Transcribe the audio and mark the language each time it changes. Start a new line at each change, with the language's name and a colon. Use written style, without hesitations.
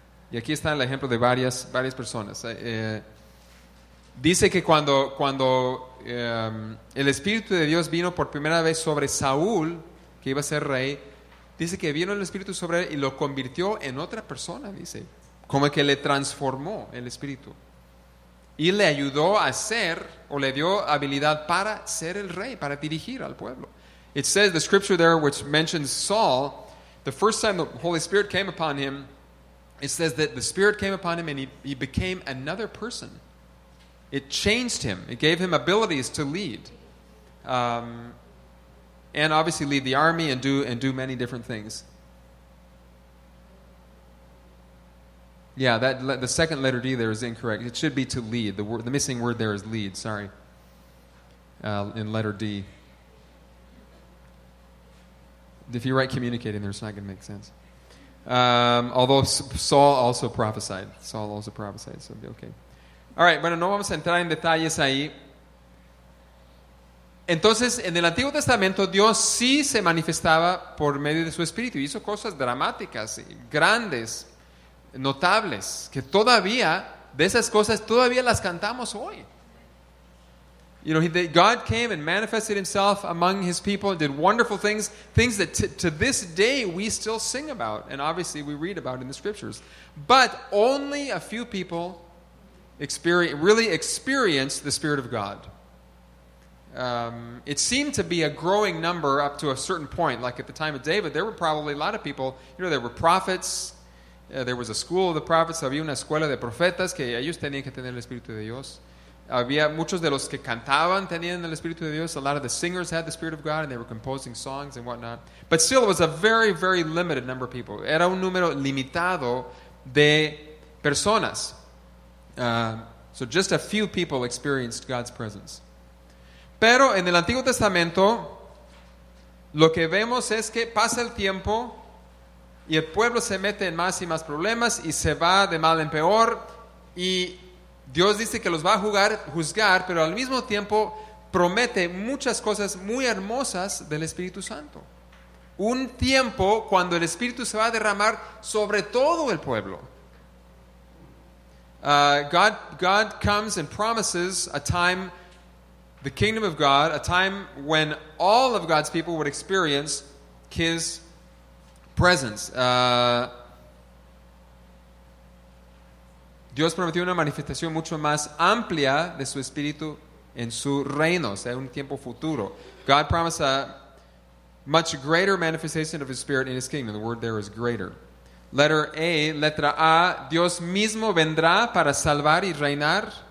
Spanish: Y aquí está el ejemplo de varias personas. Dice que cuando el Espíritu de Dios vino por primera vez sobre Saúl, que iba a ser rey, dice que vino el Espíritu sobre él y lo convirtió en otra persona, dice. Como que le transformó el Espíritu. Y le ayudó a ser, o le dio habilidad para ser el rey, para dirigir al pueblo.
English: It says, the scripture there which mentions Saul, the first time the Holy Spirit came upon him, it says that the Spirit came upon him and he became another person. It changed him. It gave him abilities to lead. And obviously lead the army and do many different things. Yeah, that the second letter D there is incorrect. It should be to lead. The missing word there is lead. Sorry. In letter D. If you write communicating there, it's not going to make sense. Although Saul also prophesied. Saul also prophesied, so it'll be okay.
Spanish: All right, bueno, no vamos a entrar en detalles ahí. Entonces, en el Antiguo Testamento, Dios sí se manifestaba por medio de su Espíritu. Hizo cosas dramáticas, grandes, notables, que todavía, de esas cosas, todavía las cantamos hoy.
English: You know, God came and manifested himself among his people and did wonderful things, things that to this day we still sing about, and obviously we read about in the scriptures. But only a few people really experienced the Spirit of God. It seemed to be a growing number up to a certain point. Like at the time of David, there were probably a lot of people, you know, there were prophets. There was a school of the prophets.
Spanish: Había una escuela de profetas que ellos tenían que tener el Espíritu de Dios. Había muchos de los que cantaban tenían el Espíritu de Dios.
English: A lot of the singers had the Spirit of God and they were composing songs and whatnot. But still, it was a very, very limited number of people.
Spanish: Era un número limitado de personas.
English: So just a few people experienced God's presence.
Spanish: Pero en el Antiguo Testamento, lo que vemos es que pasa el tiempo y el pueblo se mete en más y más problemas y se va de mal en peor y Dios dice que los va a juzgar, pero al mismo tiempo promete muchas cosas muy hermosas del Espíritu Santo. Un tiempo cuando el Espíritu se va a derramar sobre todo el pueblo.
English: God comes and promises a time, the kingdom of God, a time when all of God's people would experience his presence.
Spanish: Dios prometió una manifestación mucho más amplia de su Espíritu en su reino, o sea, un tiempo futuro.
English: God promised a much greater manifestation of his Spirit in his kingdom. The word there is greater. Letter A,
Spanish: letra A, Dios mismo vendrá para salvar y reinar.